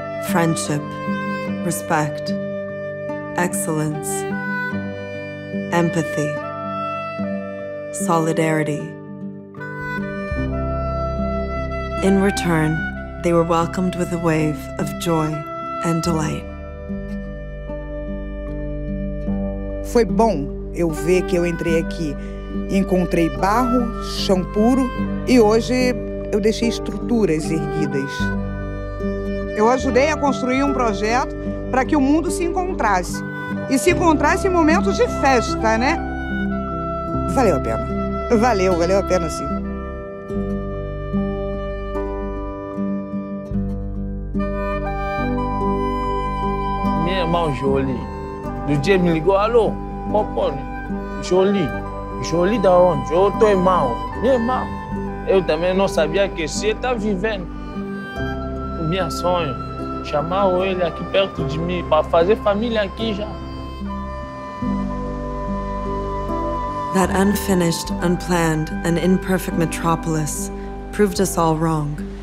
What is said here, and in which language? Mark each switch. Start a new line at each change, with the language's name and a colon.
English: Friendship, respect, excellence, empathy, solidarity. In return, they were welcomed with a wave of joy and delight.
Portuguese: Foi bom eu ver que eu entrei aqui. Encontrei barro, chão puro, e hoje eu deixei estruturas erguidas. Eu ajudei a construir um projeto para que o mundo se encontrasse. E se encontrasse em momentos de festa, né? Valeu a pena. Valeu, valeu a pena sim. Minha irmã Jolie, do dia me ligou, alô, Popone, Jolie. Jolie da onde? Eu estou mal. Minha irmã, eu também não sabia que você está vivendo. O meu sonho, chamar ele aqui perto de mim para fazer família aqui já.
English: That unfinished, unplanned, and imperfect metropolis proved us all wrong.